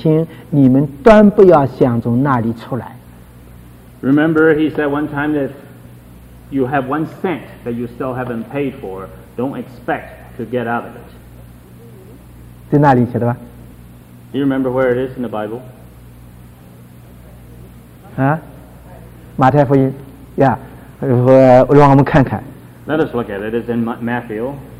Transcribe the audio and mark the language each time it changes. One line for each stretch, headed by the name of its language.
Chinese: 他告诉我们说，若是有一文钱还没有还清，你们端不要想从那里出来。
English: Remember, he said one time that you have 1 cent that you still haven't paid for, don't expect to get out of it.
Chinese: 在那里写的吧？
English: Do you remember where it is in the Bible?
Chinese: 啊，马太福音， yeah， 让我们看看。
English: Let us look at it. It's in Matthew.